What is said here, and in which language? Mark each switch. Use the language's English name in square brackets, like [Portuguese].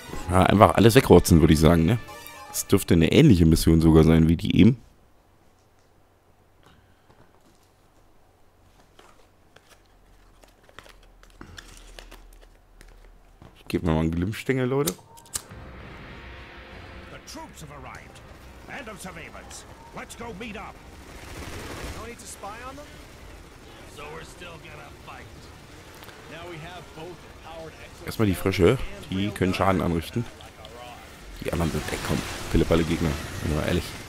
[German] Ja, einfach alles wegrotzen, würde ich sagen, ne? Das dürfte eine ähnliche Mission sogar sein wie die eben. Ich gebe mir mal einen Glimmstängel, Leute. [English] The troops have arrived. End of surveillance. Let's go meet up. No need to spy on them? So we're still gonna fight. Now we have both. [German] Erstmal die Frösche, die können Schaden anrichten. Die anderen sind weg, komm. Philipp, alle Gegner, sind wir ehrlich.